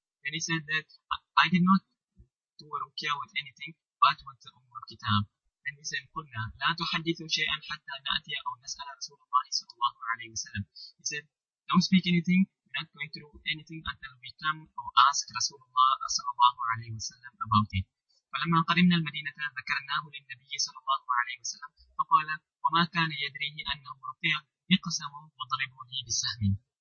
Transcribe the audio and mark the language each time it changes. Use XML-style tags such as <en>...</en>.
<en>Then he said that I did not to a ruqya with anything but with the Ummul Kitab. Then he said,</en> <ar>قُلْنَا لَا تُحَدِّثُ شَيْئًا حَتَّى نَأْتِيَ أَوْ نَسْأَلَ رَسُولُ اللَّهِ صَلَى اللَّهُ عَلَيْهِ وَسَلَمْ.</ar> <en>He said, don't speak anything, we're not going to do anything until we come or ask Rasulullah صلى الله عليه وسلم about it.</en> <ar>فَلَمَّا قَرِمْنَا الْمَدِينَةَ ذَكَرْنَاهُ لِلنَّبِيِّ صلى الله عليه وسلم فَقَالَ وَمَا كَانَ يَدْرِيهِ أَنَّهُ رُقِيَ يَقْسَمُ وَضَرِبُوا لِي بِسَهْمٍ.</ar>